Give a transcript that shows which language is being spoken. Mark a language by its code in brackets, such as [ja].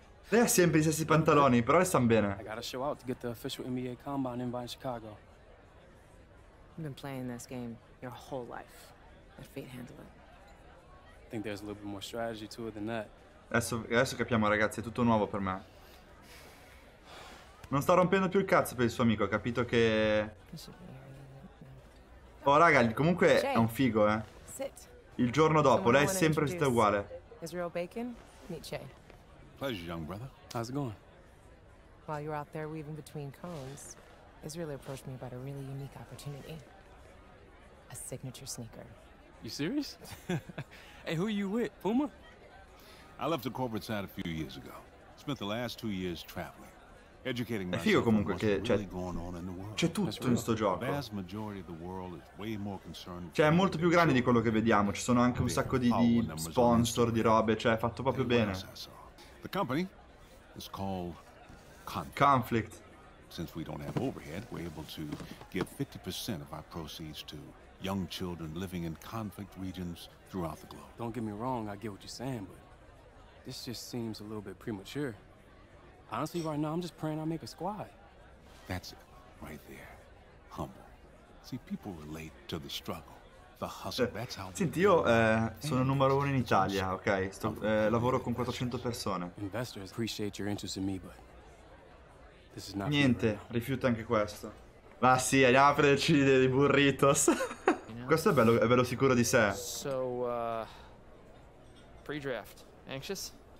[it] Lei ha sempre gli stessi pantaloni, però le stanno bene. [en] I gotta show out to get the official NBA combine invite in Chicago. You've been playing this game your whole life. Let fate handle it. I think there's a little bit more strategy to it than that. [it] Adesso capiamo, ragazzi, è tutto nuovo per me. Non sta rompendo più il cazzo per il suo amico, ha capito che... Oh, raga, comunque è un figo, eh. Il giorno dopo, lei è sempre stata uguale. [en] Israel Bacon, meet Shay. Pleasure, young brother. How's it going? While you were out there weaving between cones, Israel approached me about a really unique opportunity. A signature sneaker. You serious? Hey, who are you with, Puma? I left the corporate side a few years ago. Spent the last two years traveling. Educating [it] myself. È figo comunque che c'è tutto in sto gioco. Cioè è molto più grande di quello che vediamo. Ci sono anche un sacco di sponsor, di robe. Cioè è fatto proprio bene. [en] The company is called Conflict. Since we don't have overhead, we're able to give 50% of our proceeds to young children living in conflict regions throughout the globe. Don't get me wrong, I get what you're saying, but this just seems a little bit premature. Honestly, right now, I'm just praying I make a squad. That's it, right there. Humble. See, people relate to the struggle, the hustle. That's how. [it] Senti, io sono numero uno in Italia, ok? Lavoro con 400 persone. [en] Investors appreciate your interest in me, but this is not. [it] Niente, rifiuta anche questo. Ma sì, andiamo a prenderci dei burritos. Questo è bello sicuro di sé. [en] So, pre-draft. Anxious?